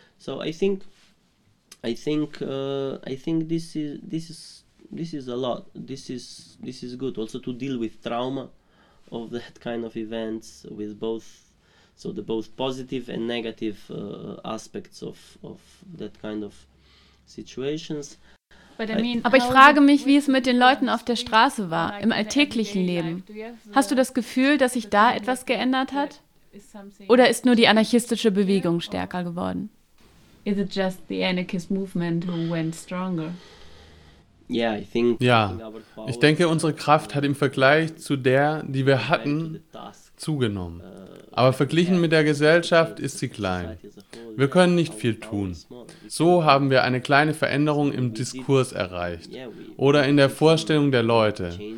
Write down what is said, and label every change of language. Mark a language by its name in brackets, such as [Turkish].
[English] So I think this is good also to deal with trauma of that kind of events with both. So the both positive and negative aspects of that kind of situations. [German] Aber ich frage mich, wie es mit den Leuten auf der Straße war, im alltäglichen Leben. Hast du das Gefühl, dass sich da etwas geändert hat? Oder ist nur die anarchistische Bewegung stärker geworden? [English] Is it just the anarchist movement who went stronger? [German] Ja, ich denke, unsere Kraft hat im Vergleich zu der, die wir hatten, zugenommen. Aber verglichen mit der Gesellschaft ist sie klein. Wir können nicht viel tun. So haben wir eine kleine Veränderung im Diskurs erreicht oder in der Vorstellung der Leute.